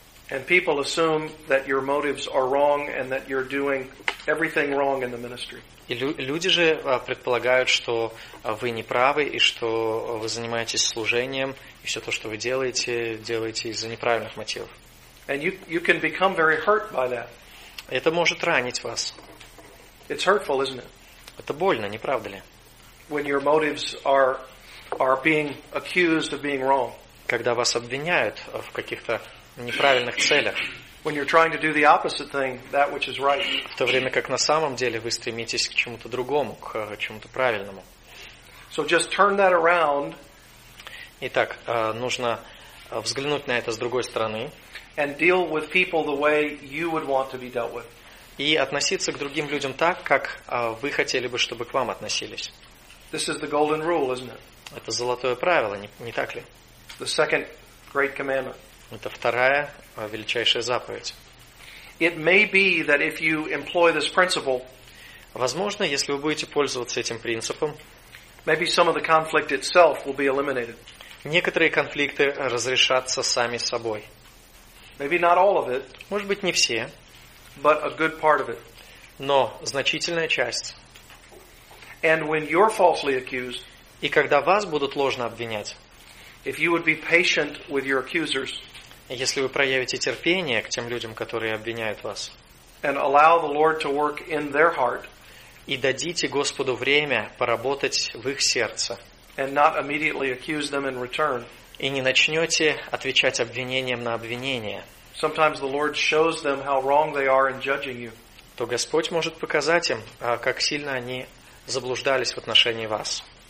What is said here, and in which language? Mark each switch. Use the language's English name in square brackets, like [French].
[English] And people assume that your motives are wrong and that you're doing everything wrong in the ministry. [Russian] И люди же предполагают, что вы не правы и что вы занимаетесь служением, и все то, что вы делаете из-за неправильных мотивов. [English] And you can become very hurt by that. [Russian] Это может ранить вас. [English] It's hurtful, isn't it? [Russian] Это больно, не правда ли? [English] When your motives are being accused of being wrong. [Russian] Когда вас обвиняют в каких-то неправильных целях. [English] When you're trying to do the opposite thing, that which is right. [Russian] В то время как на самом деле вы стремитесь к чему-то другому, к чему-то правильному. [English] So just turn that around. [Russian] Итак, нужно взглянуть на это с другой стороны. [English] And deal with people the way you would want to be dealt with. [Russian] И относиться к другим людям так, как вы хотели бы, чтобы к вам относились. [English] This is the golden rule, isn't it? [Russian] Это золотое правило, не так ли? [English] The second great commandment. [Russian] Это вторая величайшая заповедь. [English] It may be that if you employ this principle, [Russian] возможно, если вы будете пользоваться этим принципом, [English] maybe some of the conflict itself will be eliminated. [Russian] Некоторые конфликты разрешатся сами собой. [English] Maybe not all of it. [Russian] Может быть, не все. [English] But a good part of it. [Russian] Но значительная часть. [English] And when you're falsely accused, [Russian] и когда вас будут ложно обвинять, [English] if you would be patient with your accusers, [Russian] если вы проявите терпение к тем людям, которые обвиняют вас, [English] and allow the Lord to work in their heart, [Russian] и дадите Господу время поработать в их сердце, [English] and not immediately accuse them in return, [Russian] и не начнете отвечать обвинением на обвинение, [English] sometimes the Lord shows them how wrong they are in judging you. [Russian] То Господь может показать им, как сильно они заблуждались в отношении вас.